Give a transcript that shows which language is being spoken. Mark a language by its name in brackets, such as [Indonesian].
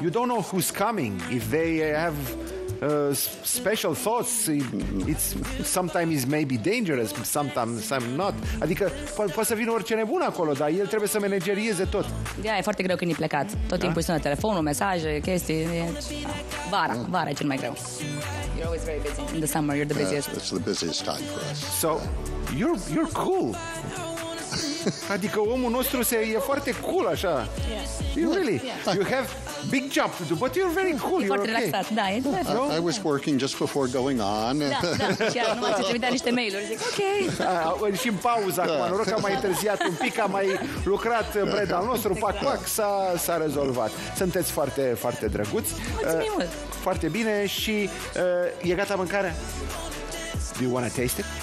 [English] You don't know who's coming, if they have special thoughts, it's sometimes maybe dangerous, sometimes I'm not. [Romanian] Adică poate să vină orice nebun acolo, dar el trebuie să managerieze tot. Da, e foarte greu când e plecat. Tot timpul sună telefonul, mesaje, chestii. Vara e cel mai greu. [English] You're always very busy. In the summer, you're the busiest. It's the busiest time for us. So, you're cool. [Romanian] Adică omul nostru e foarte cool, așa. [English] Yes. You really? Yes. You have big job to do, but you're very cool. [Romanian] E foarte relaxat, [English] okay. [Romanian] Da. E [English] no? I was working just before going on. [Romanian] Da, chiar numai să trimitea niște mail-uri. Zic, ok. Și în pauză, acum, noroc că am mai întârziat un pic, am mai lucrat bred al nostru, pac-pac, s-a rezolvat. Sunteți foarte, foarte drăguți. Mulțumim mult. Foarte bine și e gata mâncarea? [English] Do you want to taste it?